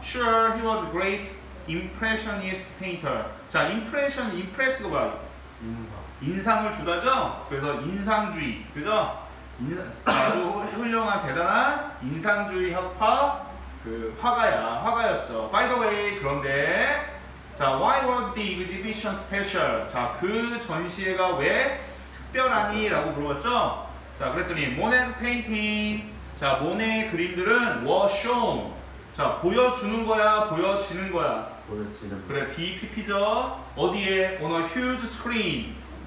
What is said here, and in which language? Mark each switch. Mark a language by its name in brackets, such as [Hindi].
[English] Sure, he was great. Impressionist painter. [Korean] 자, impression, impress가 뭐야? 인상을 주다죠? 그래서 인상주의. 그죠? 아주 훌륭한, 대단한 인상주의 학파, 그, 화가야. 화가였어. [English] By the way, [Korean] 그런데, 자, [English] why was the exhibition special? [Korean] 자, 그 전시회가 왜 특별하니? 라고 물어봤죠? 자, 그랬더니, [English] Monet's painting. [Korean] 자, Monet의 그림들은 [English] was shown. [Korean] 자, 보여주는 거야, 보여지는 거야. 보여지는 그래, BPP죠. 어디에? [English] On a huge screen.